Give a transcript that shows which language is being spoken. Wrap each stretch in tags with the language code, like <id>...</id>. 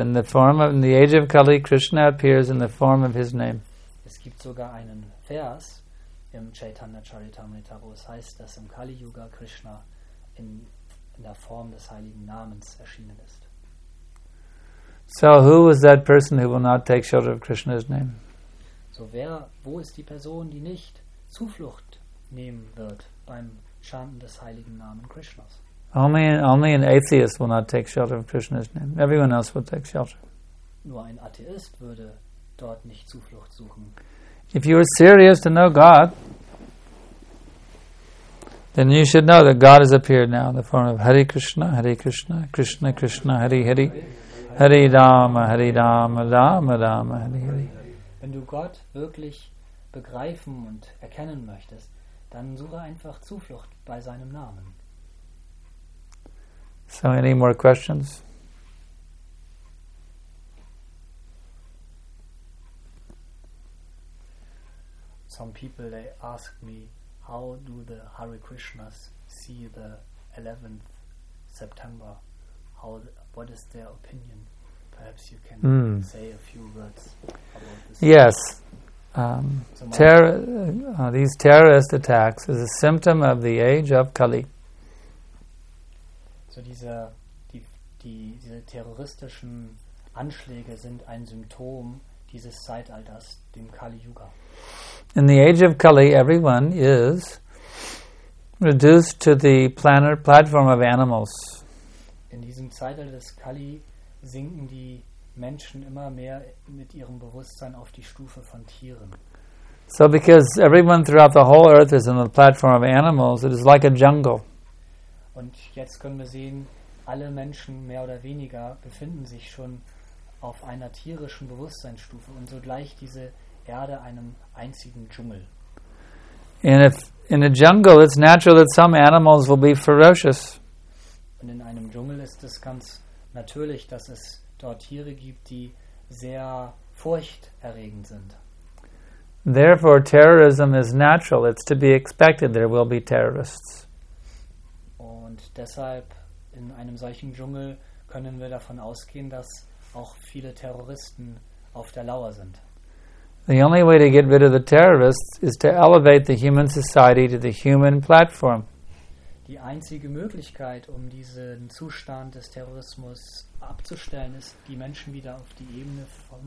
<en>In the age of Kali, Krishna appears in the form of his name.</en> <de>Es gibt sogar einen Vers im Chaitanya Charitamrita, wo es heißt, dass im Kali Yuga Krishna in der Form des heiligen Namens erschienen ist.</de> <en>So who is that person who will not take shelter of Krishna's name?</en> <de>So wer, wo ist die Person, die nicht Zuflucht nehmen wird beim Chanten des heiligen Namens Krishnas?</de> <en>Only an atheist will not take shelter of Krishna's name. Everyone else will take shelter.</en> <de>Nur ein Atheist würde dort nicht Zuflucht suchen.</de> <en>If you are serious to know God, then you should know that God has appeared now in the form of Hare Krishna, Hare Krishna, Krishna Krishna, Hare Hare, Hare Rama, Hare Rama, Rama Rama, Hare Hare.</en> <de>Wenn du Gott wirklich begreifen und erkennen möchtest, dann suche einfach Zuflucht bei seinem Namen.</de> <en>So, any more questions? Some people, they ask me, how do the Hare Krishnas see the 11th September? What is their opinion? Perhaps you can say a few words about this. Yes. These terrorist attacks is a symptom of the age of Kali.</en> <de>So diese terroristischen Anschläge sind ein Symptom dieses Zeitalters, dem Kali-Yuga.</de> <en>In the age of Kali, everyone is reduced to the platform of animals.</en> <de>In diesem Zeitalter des Kali sinken die Menschen immer mehr mit ihrem Bewusstsein auf die Stufe von Tieren.</de> <en>So because everyone throughout the whole earth is on the platform of animals, it is like a jungle.</en> <de>Und jetzt können wir sehen, alle Menschen mehr oder weniger befinden sich schon auf einer tierischen Bewusstseinsstufe und so gleicht diese Erde einem einzigen Dschungel.</de> <en>In a jungle, it's natural that some animals will be ferocious.</en> <de>Und in einem Dschungel ist es ganz natürlich, dass es dort Tiere gibt, die sehr furchterregend sind.</de> <en>Therefore, terrorism is natural. It's to be expected there will be terrorists.</en> <de>Deshalb, in einem solchen Dschungel, können wir davon ausgehen, dass auch viele Terroristen auf der Lauer sind.</de> <en>The only way to get rid of the terrorists is to elevate the human society to the human platform.</en> <de>Die einzige Möglichkeit, um diesen Zustand des Terrorismus abzustellen, ist, die Menschen wieder auf die Ebene vom</de>